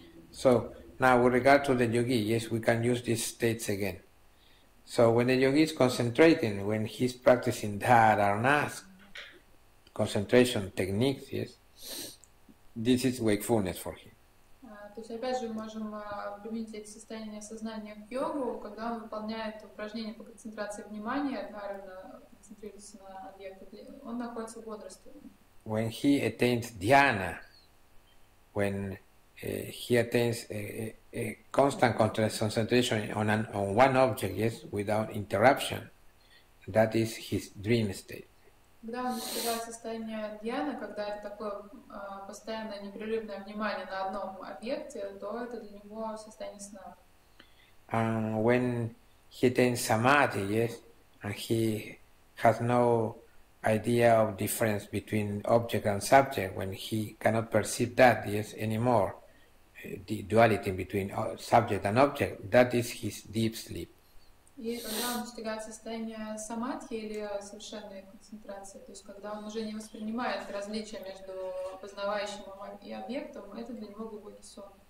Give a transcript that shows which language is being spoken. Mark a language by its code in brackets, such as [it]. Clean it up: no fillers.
[en] So, now with regard to the yogi, yes, we can use these states again. So when the yogi is concentrating, when he's practicing dhara or nask, concentration techniques, yes, this is wakefulness for him. [ru] То есть опять же мы можем применить это состояние сознания в йогу, когда он выполняет упражнение по концентрации внимания, дхарана, концентрируется на объекте, он находится в бодрости. [en] When he attains dhyana, when he attains a constant concentration on one object, yes, without interruption. That is his dream state. [ru] Когда он достигает состояния дьяна, когда это такое постоянное непрерывное внимание на одном объекте, то это для него состояние сна. [en] And when he attains samadhi, yes, and he has no idea of difference between object and subject, when he cannot perceive that, yes, anymore, the duality between subject and object, that is his deep sleep. [ru] И когда он достигает состояния самадхи или совершенной концентрации, то есть когда он уже не воспринимает различия между познавающим и объектом, это для него глубокий сон.